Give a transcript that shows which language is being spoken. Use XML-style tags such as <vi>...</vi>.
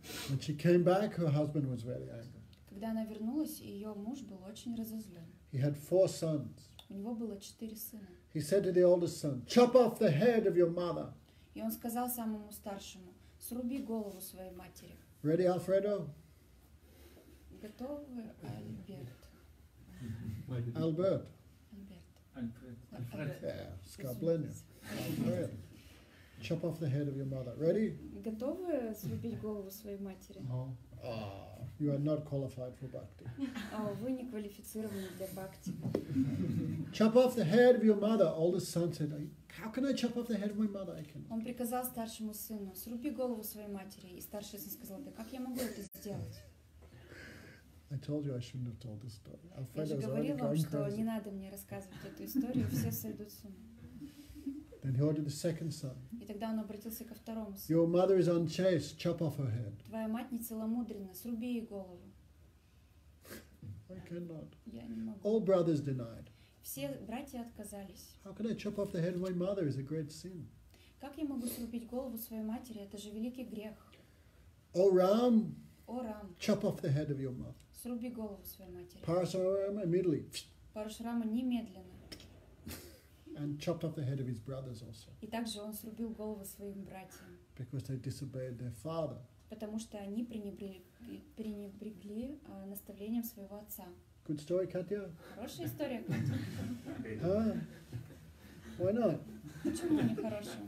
<en>When she came back, her husband was very angry.</en> <ru>Когда она вернулась, ее муж был очень разозлен.</ru> <en>He had four sons.</en> <ru>У него было четыре сына.</ru> <en>He said to the oldest son, "Chop off the head of your mother."</en> <ru>И он сказал самому старшему, "Сруби голову своей матери."</ru> <en>Ready, Alfredo?</en> <ru>Готовы, Альберт? Альберт. Альберт.</ru> <en>Альфред. Альфред. Chop off the head of your mother. Ready?</en> <ru>Готовы срубить голову своей матери?</ru> <en>No. You are not qualified for bhakti.</en> <ru>Вы не квалифицированы для бхакти.</ru> <en>Chop off the head of your mother. Oldest son said, "How can I chop off the head of my mother? I cannot."</en> <ru>Он приказал старшему сыну: "Сруби голову своей матери." И старший сын сказал: "Да как я могу это сделать?"</ru> <en>I told you I shouldn't have told this story.</en> <ru>Я же говорил вам, что не надо мне рассказывать эту историю, все сойдут с ума.</ru> <en>Then he ordered the second son.</en> <ru>И тогда он обратился ко второму сыну.</ru> <en>Your mother is unchaste. Chop off her head.</en> <ru>Твоя мать нецеломудрена. Сруби ей голову.</ru> <en>I cannot.</en> <ru>Я не могу.</ru> <en>All brothers denied.</en> <ru>Все братья отказались.</ru> <en>How can I chop off the head of my mother? It's a great sin.</en> <ru>Как я могу срубить голову своей матери? Это же великий грех.</ru> <en>O Ram.</en> <ru>O Ram.</ru> <en>Chop off the head of your mother.</en> <ru>Сруби голову своей матери. Парашурама immediately. Парашурама немедленно.</ru> <en>And chopped off the head of his brothers also.</en> <ru>И также он срубил голову своим братьям.</ru> <en>Because they disobeyed their father.</en> <ru>Потому что они пренебрегли наставлением своего отца.</ru> <en>Good story, Katya.</en> <ru>Хорошая история, Катя.</ru> <en>Why not?</en> <ru>Почему не хорошая?</ru>